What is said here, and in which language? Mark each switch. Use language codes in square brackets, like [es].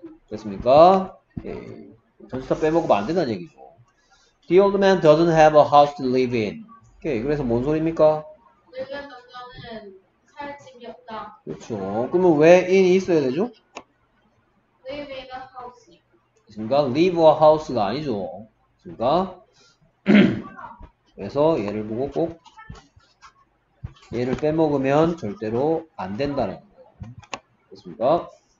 [ko] 됐습니까? 오케이. 전치사 빼먹으면 안 된다는 얘기죠. [en] The old man doesn't have a house to live in. [ko] 오케이, 그래서 뭔 소리입니까? 늙은 남자는 살 집이 없다. 그렇죠. 그러면 왜 in이 있어야 되죠? [en] Live in a house. [ko] 그러니까 [en] live a house [ko] 가 아니죠. 그러니까 그래서 얘를 보고 꼭 얘를 빼먹으면 절대로 안 된다는 거예요. 그렇습니까?